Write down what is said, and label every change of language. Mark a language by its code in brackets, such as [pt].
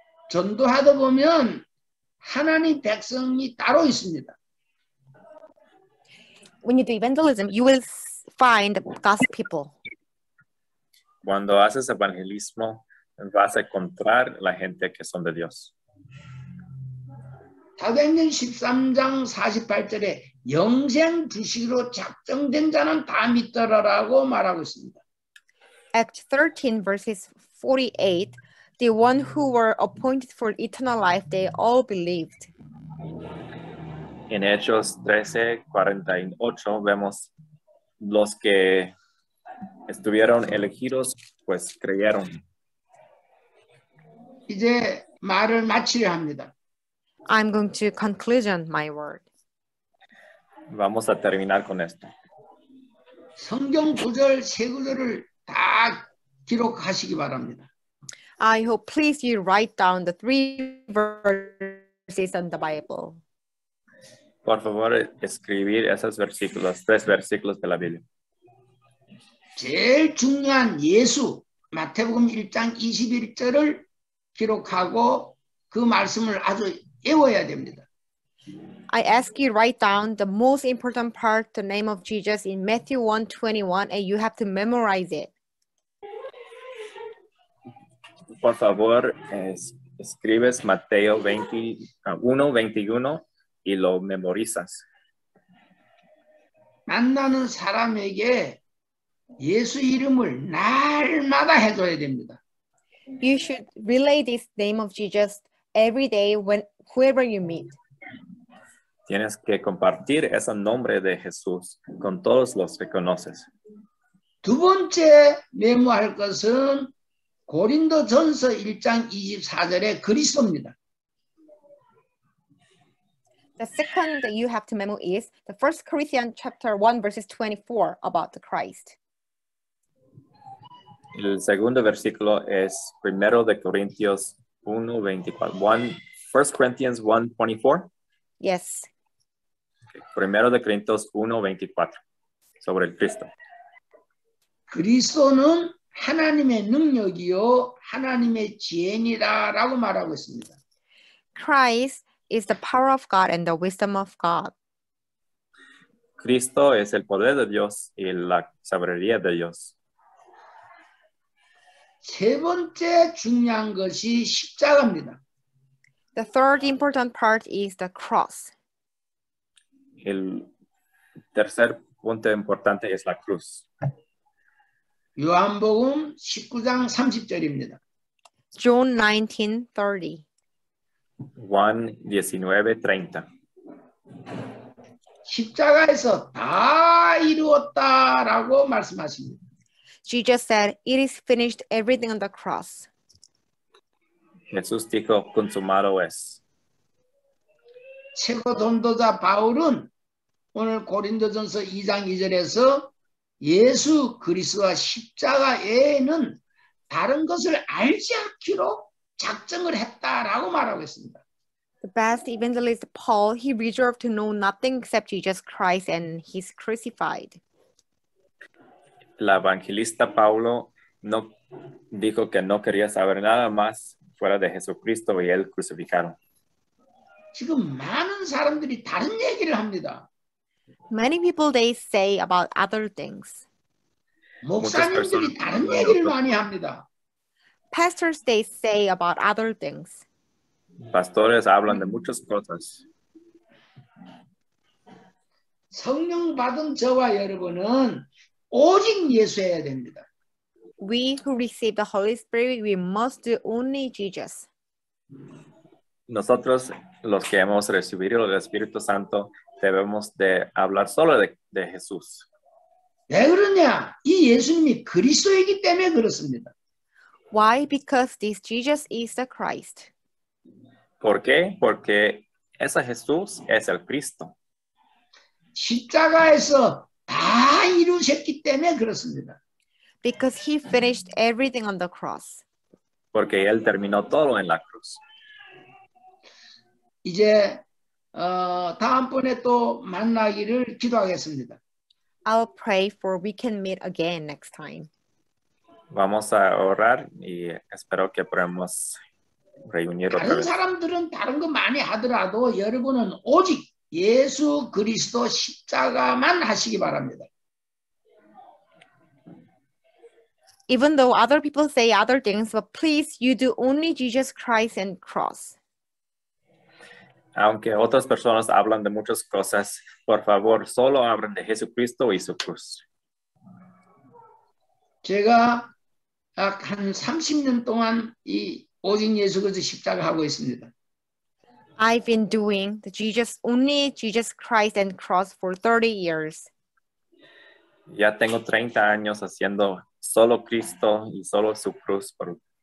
[ko] 전도하다 보면 하나님 백성이 따로 있습니다. [en] When you do evangelism, you will find God's people. [es] Cuando haces evangelismo, vas a encontrar la gente que son de Dios. [ko] 사도행전 13장 48절에 영생 주시기로 작정된 자는 다 믿더라라고 말하고 있습니다. [en] Acts 13 verses 48. The one who were appointed for eternal life, they all believed. [es] En Hechos 13:48 vemos los que estuvieron elegidos, pues creyeron. [ko] 이제 말을 마치려 합니다. [en] I'm going to conclusion my word. [es] Vamos a terminar con esto. [ko] 성경 구절 세 구절을 다 기록하시기 바랍니다. [en] I hope please you write down the three verses in the Bible. [es] Por favor, escribir esos versículos, tres versículos de la Biblia. [ko] 제일 중요한 예수, 마태복음 1장 21절을 기록하고 그 말씀을 아주 외워야 됩니다. [en] I ask you write down the most important part, the name of Jesus in Matthew 1:21, and you have to memorize it. [es] Por favor, escribes Mateo 1:21 y lo memorizas. [ko] 만나는 사람에게 예수 이름을 날마다 해줘야 됩니다. [en] You should relay this name of Jesus every day when whoever you meet. [es] Tienes que compartir ese nombre de Jesús con todos los que conoces. [ko] 두 번째 메모할 것은 고린도전서 1장 24절의 그리스도입니다. [en] The second that you have to memo is the 1 Corinthians chapter 1 verses 24 about the Christ. [es] El segundo versículo es primero de Corintios 1:24. [en] 1 Corinthians 1:24? Yes. [es] Primero de Corintios 1:24 sobre el Cristo. [ko] 그리스도는 하나님의 능력이요 하나님의 지혜니라라고 말하고 있습니다. [en] Christ is the power of God and the wisdom of God. [es] Cristo es el poder de Dios y la sabiduría de Dios. [ko] 세 번째 중요한 것이 십자가입니다. [en] The third important part is the cross. [es] El tercer punto importante es la cruz. [ko] 요한복음 19장 30절입니다. [en] John 19:30. [es] Juan 19:30. [ko] 십자가에서 다 이루었다라고 말씀하십니다. [en] Jesus said, "It is finished. Everything on the cross." [es] Jesús dijo, "Consumado es." [ko] 최고 전도자 바울은 오늘 고린도전서 2장 2절에서 예수 그리스도와 십자가 외에는 다른 것을 알지 않기로 작정을 했다라고 말하고 있습니다. [en] The best evangelist Paul, he reserved to know nothing except Jesus Christ and his crucified. [es] La evangelista Paulo no dijo que no quería saber nada más fuera de Jesucristo y el crucificado. [ko] 지금 많은 사람들이 다른 얘기를 합니다. [en] Many people they say about other things. [ko] 목사님들이 다른 얘기를 많이 합니다. [en] Pastors they say about other things. [es] Pastores hablan de muchas cosas. [ko] 성령 받은 저와 여러분은 오직 예수여야 됩니다. [en] We who receive the Holy Spirit, we must do only Jesus. [es] Nosotros, los que hemos recibido el Espíritu Santo, debemos de hablar solo de Jesús. [ko] 왜 그러냐? 이 예수님이 그리스도이기 때문에 그렇습니다. [en] Why? Because this Jesus is the Christ. [es] ¿Por qué? Porque ese Jesús es el Cristo. [ko] 십자가에서 다 이루셨기 때문에 그렇습니다. [en] Because he finished everything on the cross. [es] Porque él terminó todo en la cruz. [ko] 이제 다음번에 또 만나기를 기도하겠습니다. [en] I'll pray for we can meet again next time. [es] Vamos a orar y espero que podamos reunir otra vez. [ko] 다른 사람들은 다른 거 많이 하더라도 여러분은 오직 예수 그리스도 십자가만 하시기 바랍니다. [en] Even though other people say other things, but please, you do only Jesus Christ and cross. [es] Aunque otras personas hablan de muchas cosas, por favor, solo hablen de Jesucristo y su cruz. [ko] 제가 한 30년 동안 이 오직 예수 그리스도 십자가 하고 있습니다. [en] I've been doing the Jesus only Jesus Christ and cross for 30 years. [es] Ya tengo 30 años haciendo solo Cristo y solo su cruz por.